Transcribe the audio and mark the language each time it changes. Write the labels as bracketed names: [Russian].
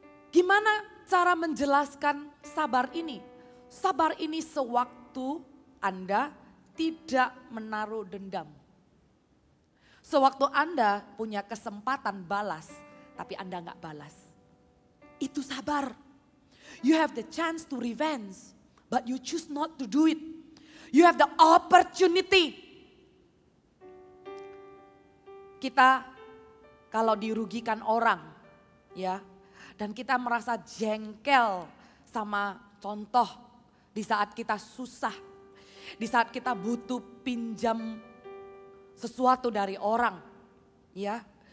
[Indonesian] Gimana cara menjelaskan sabar ini? Sabar ini sewaktu Anda tidak menaruh dendam. Sewaktu Anda punya kesempatan balas, tapi Anda enggak balas. Itu sabar. [English] You have the chance to revenge, but you choose not to do it. You have the opportunity. [Indonesian] Kita kalau dirugikan orang, ya, dan kita merasa jengkel sama contoh di saat kita susah, di saat kita butuh pinjam sesuatu dari orang, ya.